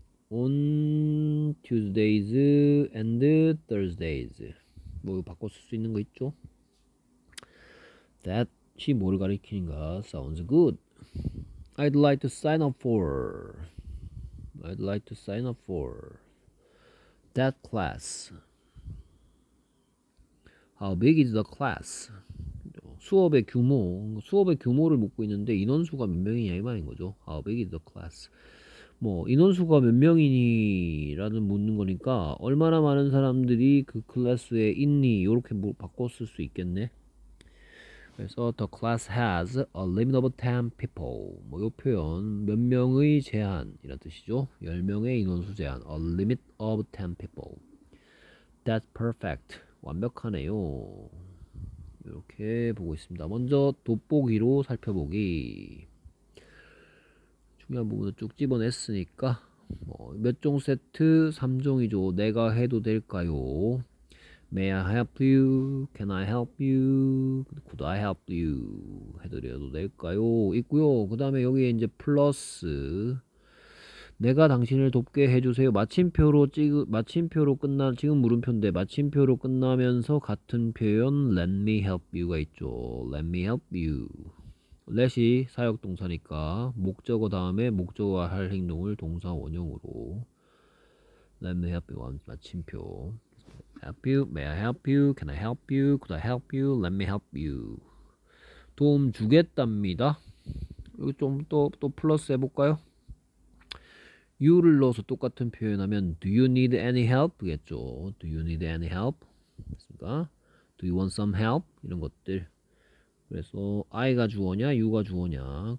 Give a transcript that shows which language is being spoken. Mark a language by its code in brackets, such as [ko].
[en] On Tuesdays and Thursdays [ko] 뭐 바꿔 쓸수 있는 거 있죠? [en] That이 [ko] 뭐를 가리키는가? [en] Sounds good. I'd like to sign up for. I'd like to sign up for that class. How big is the class? [ko] 수업의 규모를 묻고 있는데 인원수가 몇 명이냐 이 말인 거죠. [en] How big is the class? [ko] 뭐 인원수가 몇 명이니라는 묻는 거니까 얼마나 많은 사람들이 그 클래스에 있니 이렇게 바꿨을 수 있겠네. 그래서 [en] The class has a limit of 10 people. [ko] 뭐요 표현 몇 명의 제한이란 뜻이죠. 10명의 인원수 제한. [en] A limit of 10 people. That's perfect. [ko] 완벽하네요. 이렇게 보고 있습니다. 먼저 돋보기로 살펴보기. 중요한 부분을 쭉 집어냈으니까 뭐몇종 세트? 3종이죠. 내가 해도 될까요? [en] May I help you? Can I help you? Could I help you? [ko] 해드려도 될까요? 있고요. 그 다음에 여기에 이제 플러스 내가 당신을 돕게 해주세요. 마침표로 끝나, 지금 물음표인데, 마침표로 끝나면서 같은 표현, [en] let me help you [ko] 가 있죠. [en] Let me help you. [ko] let이 사역동사니까, 목적어 다음에 목적어 할 행동을 동사 원형으로. [en] Let me help you. 마침표. Help you. May I help you? Can I help you? Could I help you? Let me help you. [ko] 도움 주겠답니다. 여기 좀 또 플러스 해볼까요? You를 넣어서 똑같은 표현하면 [en] Do you need any help?겠죠. Do you need any help? [ko] 됐습니까? [en] Do you want some help? [ko] 이런 것들. 그래서 I가 주어냐, you가 주어냐.